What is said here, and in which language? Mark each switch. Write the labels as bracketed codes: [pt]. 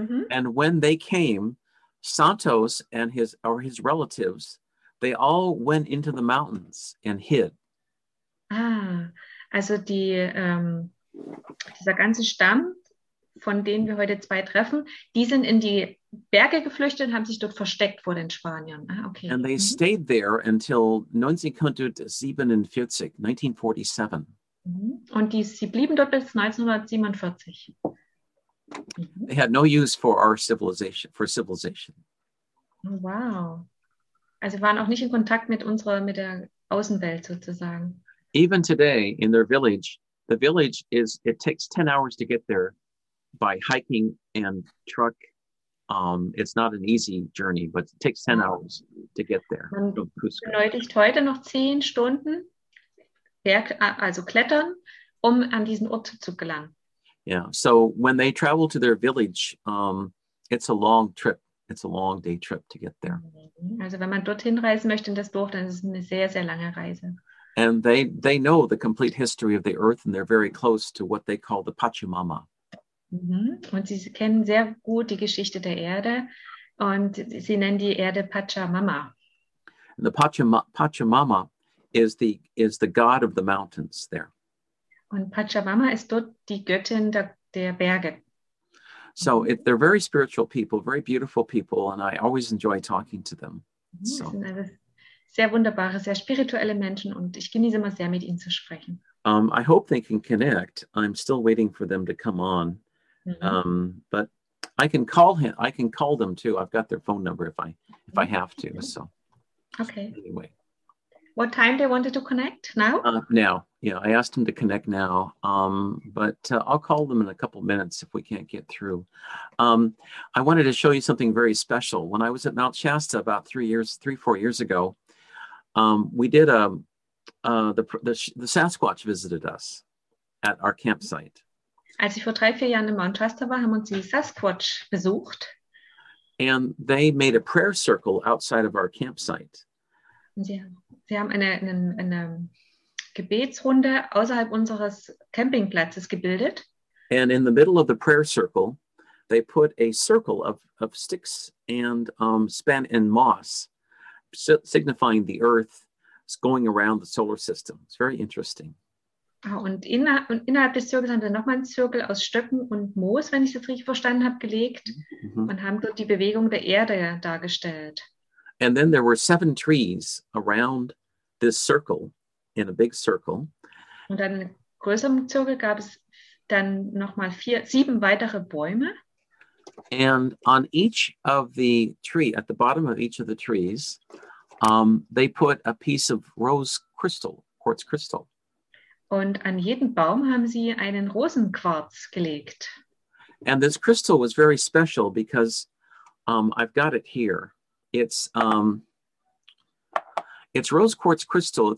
[en] And when they came, Santos and his relatives, they all went into the mountains and hid. [de] Ah, also dieser ganze Stamm, von denen wir heute zwei treffen, die sind in die Berge geflüchtet und haben sich dort versteckt vor den Spaniern. Ah, okay. [en] And they stayed there until 1947. [de] Und sie blieben dort bis 1947. [en] They had no use for our civilization. For civilization. Oh, wow. [de] Also waren auch nicht in Kontakt mit der Außenwelt sozusagen. [en] Even today in their village, the village is, it takes 10 hours to get there. By hiking and truck, it's not an easy journey, but it takes 10 hours to get there. [de] Benötigt heute noch 10 Stunden, also klettern, um an diesen Ort zu gelangen. [en] Yeah, so when they travel to their village, it's a long trip. It's a long day trip to get there. [de] Also wenn man dorthin reisen möchte in das Dorf, dann ist es eine sehr, sehr lange Reise. [en] And they know the complete history of the earth, and they're very close to what they call the Pachamama. [de] Und sie kennen sehr gut die Geschichte der Erde und sie nennen die Erde Pachamama. [en] The Pachamama is the god of the mountains there. [de] Und Pachamama ist dort die Göttin der Berge. [en] So they're very spiritual people, very beautiful people, and I always enjoy talking to them. So. [de] Sind also sehr wunderbare, sehr spirituelle Menschen und ich genieße immer sehr, mit ihnen zu sprechen. [en] I hope they can connect. I'm still waiting for them to come on. But I can call him. I can call them too. I've got their phone number if I have to. So, okay. Anyway, what time they wanted to connect now? Now, yeah. I asked them to connect now. I'll call them in a couple minutes if we can't get through. I wanted to show you something very special. When I was at Mount Shasta about 3 years, 3-4 years ago, we did the Sasquatch visited us at our campsite. [de] Als ich vor 3-4 Jahren in Mount Shasta war, haben uns die Sasquatch besucht. [en] And they made a prayer circle outside of our campsite. [de] Sie haben eine Gebetsrunde außerhalb unseres Campingplatzes gebildet. [en] And in the middle of the prayer circle, they put a circle of sticks and span and moss, signifying the earth going around the solar system. It's very interesting. [de] Ah, und innerhalb des Zirkels haben wir nochmal einen Zirkel aus Stöcken und Moos, wenn ich das richtig verstanden habe, gelegt und haben dort die Bewegung der Erde dargestellt. [en] And then there were 7 trees around this circle, in a big circle. [de] Und dann in größerem Zirkel gab es dann nochmal 7 weitere Bäume. [en] And on each of the tree, at the bottom of each of the trees, they put a piece of rose crystal, quartz crystal. [de] Und an jeden Baum haben sie einen Rosenquarz gelegt. [en] And this crystal was very special because I've got it here. It's rose quartz crystal.